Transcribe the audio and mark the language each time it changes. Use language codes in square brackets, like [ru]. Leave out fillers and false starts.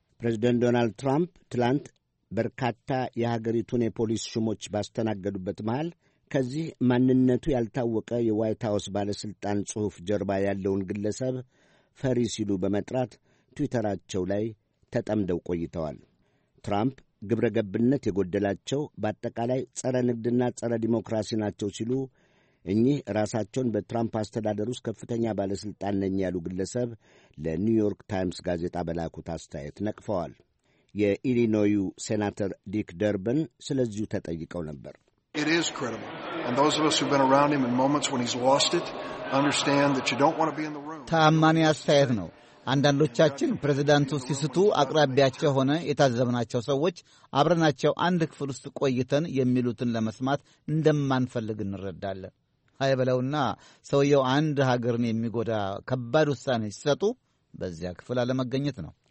[am] ፕሬዚደንት ዶናልድ ትራምፕ ትላንት በርካታ የሀገሪቱን የፖሊስ ሹሞች ባስተናገዱበት መሃል ከዚህ ማንነቱ ያልታወቀ የዋይት ሀውስ ባለሥልጣን ጽሑፍ ጀርባ ያለውን ግለሰብ ፈሪ ሲሉ በመጥራት ትዊተራቸው ላይ ተጠምደው ቆይተዋል። ትራምፕ ግብረ ገብነት የጎደላቸው በአጠቃላይ ጸረ ንግድና ጸረ ዲሞክራሲ ናቸው ሲሉ እኚህ ራሳቸውን በትራምፕ አስተዳደር ውስጥ ከፍተኛ ባለሥልጣን ነኝ ያሉ ግለሰብ ለኒውዮርክ ታይምስ ጋዜጣ በላኩት አስተያየት ነቅፈዋል። የኢሊኖዩ ሴናተር ዲክ ደርበን ስለዚሁ ተጠይቀው ነበር። [en] It is credible. And those of us who've been around him in moments when he's lost it understand that you don't want to be in the room. [am] ታማኝ አስተያየት ነው። አንዳንዶቻችን ፕሬዝዳንቱ ሲስቱ አቅራቢያቸው ሆነ የታዘብናቸው ሰዎች አብረናቸው አንድ ክፍል ውስጥ ቆይተን የሚሉትን ለመስማት እንደማንፈልግ እንረዳለን። አይበለውና ሰውየው አንድ ሀገርን የሚጎዳ ከባድ ውሳኔ ሲሰጡ በዚያ ክፍል አለመገኘት ነው።